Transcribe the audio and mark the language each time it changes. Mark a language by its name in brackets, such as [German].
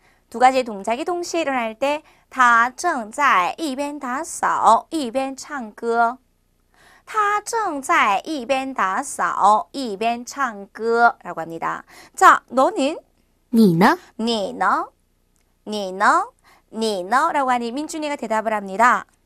[Korean] 두 가지의 동작이 동시에 일어날 때 [Chinese] 她正在一边打扫一边唱歌. 他正在一边打扫一边唱歌 [Korean] 라고 합니다. 자, 너는? [Chinese] 你呢? 你呢?你呢? [Korean] 你呢?라고 하니 민준이가 대답을 합니다.